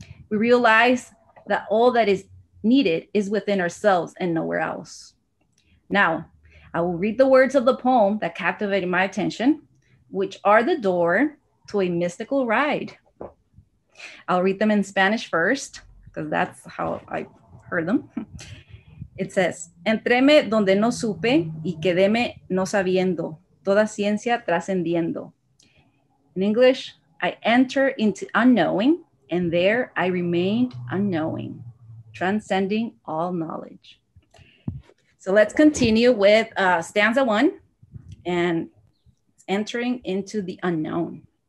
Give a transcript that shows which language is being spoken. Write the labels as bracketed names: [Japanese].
[English] We realize that all that is needed is within ourselves and nowhere else. Now, I will read the words of the poem that captivated my attention, which are the door to a mystical ride. I'll read them in Spanish first, because that's how I heard them. It says, [Spanish] Entréme donde no supe y quedéme no sabiendo, toda ciencia trascendiendo. [English] In English, I enter into unknowing, and there I remained unknowing, transcending all knowledge. So let's continue with stanza one, and entering into the unknown.